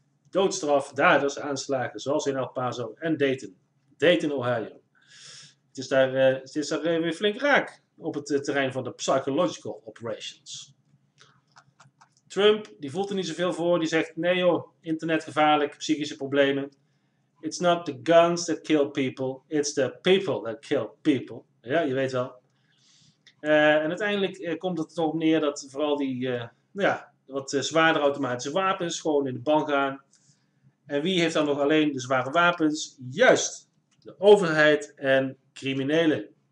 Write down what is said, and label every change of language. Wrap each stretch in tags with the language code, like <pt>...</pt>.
<nl>Doodstraf, daders, aanslagen. Zoals in El Paso en Dayton. Dayton, Ohio. Het is daar weer flink raak op het terrein van de</nl> <en>psychological operations.</en> <nl>Trump, die voelt er niet zoveel voor. Die zegt, nee joh, internet gevaarlijk, psychische problemen.</nl> <en>It's not the guns that kill people, it's the people that kill people.</en> <nl>Ja, je weet wel. En uiteindelijk komt het erop neer dat vooral die zwaardere automatische wapens gewoon in de ban gaan. En wie heeft dan nog alleen de zware wapens? Juist, de overheid en criminelen.</nl>